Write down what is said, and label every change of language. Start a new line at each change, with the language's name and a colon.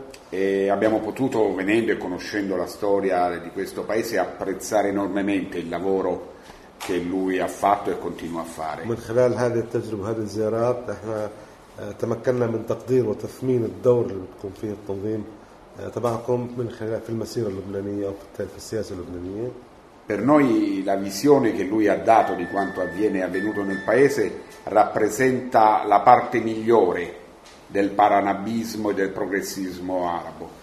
Italian: E abbiamo potuto, venendo e conoscendo la storia di questo paese, apprezzare enormemente il lavoro che lui ha fatto e continua a fare.
Arabic: تمكننا من تقدير وتثمين الدور اللي بتقوم فيه التنظيم تبعكم من خلال في المسيرة اللبنانية أو في السياسة اللبنانية.
Italian: Per noi la visione che lui ha dato di quanto avviene avvenuto nel paese rappresenta la parte migliore del paranabismo e del progressismo arabo.